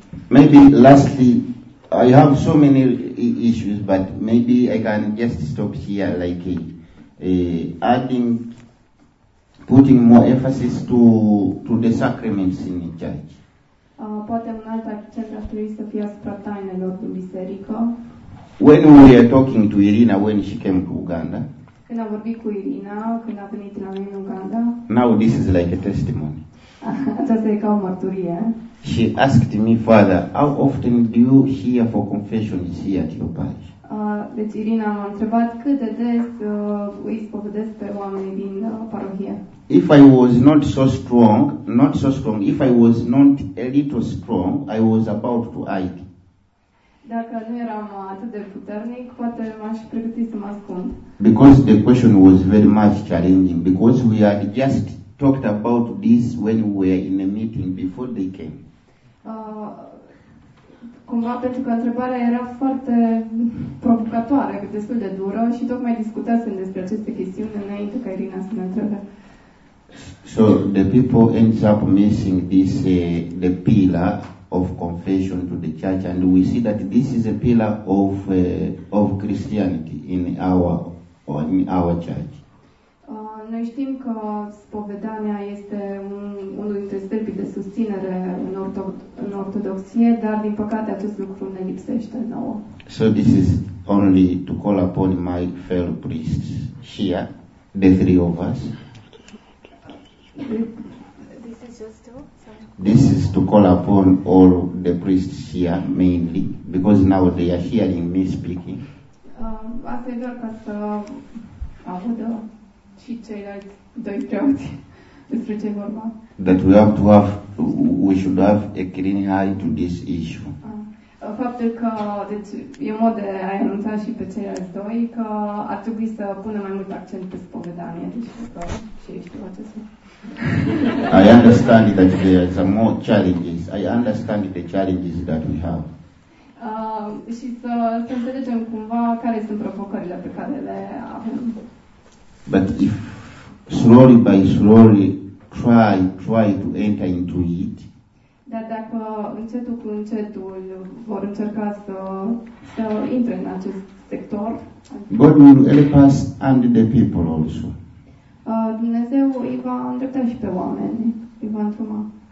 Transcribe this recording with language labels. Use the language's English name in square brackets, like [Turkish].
[English] Maybe lastly, I have so many issues, but maybe I can just stop here, like putting more emphasis to the sacraments in the church. [Romanian] Poate un alt accent ar trebui să fie asupra tainelor din biserică. [English] When we were talking to Irina when she came to Uganda. [Romanian] Când am vorbit cu Irina, când a venit la noi în Uganda. [English] Now this is like a testimony. [Romanian] Aceasta e ca o mărturie. [English] She asked me, Father, how often do you hear for confessions here at your parish? [Romanian] Deci Irina m-a întrebat cât de des îi spovedesc pe oamenii din parohie. [English] If I was not so strong, if I was not a little strong, I was about to hide. [Romanian] Dacă nu eram atât de puternic, poate m-aș pregăti să mă ascund. [English] Because the question was very much challenging, because we had just talked about this when we were in a meeting before they came. [Romanian] Cumva pentru că întrebarea era foarte provocatoare, destul de dură, și tocmai discutasem despre aceste chestiuni înainte ca Irina să ne întrebe. [English] So the people ends up missing this the pillar of confession to the church, and we see that this is a pillar of Christianity in our church. [Romanian] Noi știm că spovedania este unul dintre stâlpii de susținere în ortodoxie, dar din păcate acest lucru ne lipsește nouă. [English] So this is only to call upon my fellow priests here, the three of us. This is to call upon all the priests here mainly, because now they are hearing me speaking. [Romanian] Asta e doar ca să audă și ceilalți doi preoți. Despre ce vorba? [English] That we have to have, we should have a clean eye to this issue. [Romanian] Faptul că, deci, e un mod de a anunța și pe ceilalți doi, că ar trebui să punem mai mult accent pe spovedanie, deci că și ești acesta. [English] I understand that there are some more challenges. I understand the challenges that we have. [Romanian] Și să înțelegem cumva care sunt provocările pe care le avem. [English] But if slowly by slowly try to enter into it, [Romanian] dar dacă încetul cu încetul vor încerca să intre în acest sector, [English] God will help us and the people also. [Romanian] Dumnezeu îi va îndrepta și pe oameni, îi va întruma.